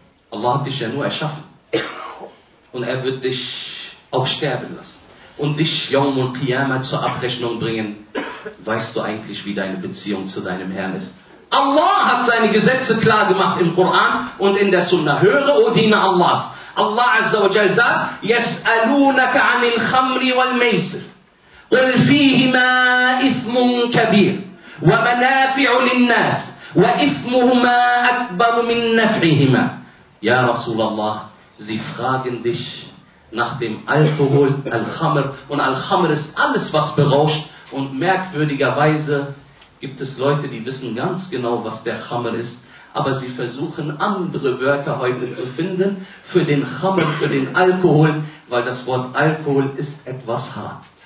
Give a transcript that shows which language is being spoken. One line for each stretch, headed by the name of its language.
German: Allah hat dich ja nur erschaffen. Und er wird dich auch sterben lassen. Und dich Yawm und Qiyamah zur Abrechnung bringen. Weißt du eigentlich, wie deine Beziehung zu deinem Herrn ist? Allah hat seine Gesetze klar gemacht im Koran und in der Sunna. Höre, o Diener Allahs.
Arabic: Allah Azza wa Jalla sagt, يَسْأَلُونَكَ عَنِ الْخَمْرِ وَالْمَيْسِرِ قل فيهما إثم كبير ومنافع للناس وإثمهما أكبر من نفعهما. يا رسول الله,
German: sie fragen dich nach dem Alkohol, Al-Khamr, und Al-Khamr ist alles, was berauscht. Und merkwürdigerweise gibt es Leute, die wissen ganz genau, was der Khamr ist, aber sie versuchen, andere Wörter heute zu finden für den Khamr, für den Alkohol, weil das Wort Alkohol ist etwas hart.